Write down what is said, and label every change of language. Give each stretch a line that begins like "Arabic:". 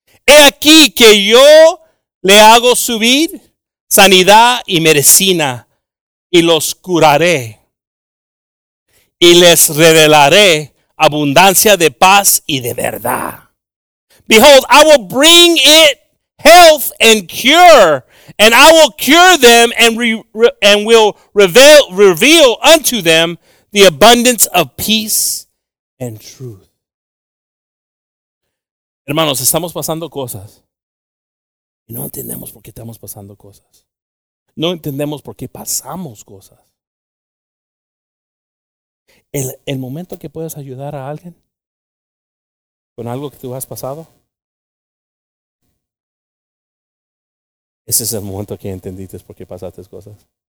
Spanish: He aquí que yo le hago subir sanidad y medicina, y los curaré, y les revelaré abundancia de paz y de verdad.
English: Behold, I will bring it health and cure, and I will cure them and will reveal unto them the abundance of peace and truth.
Spanish: Hermanos, estamos pasando cosas. Y no entendemos por qué estamos pasando cosas. No entendemos por qué pasamos cosas. El momento que puedes ayudar a alguien con algo que tú has pasado, ese es el momento que entendiste por qué pasaste cosas.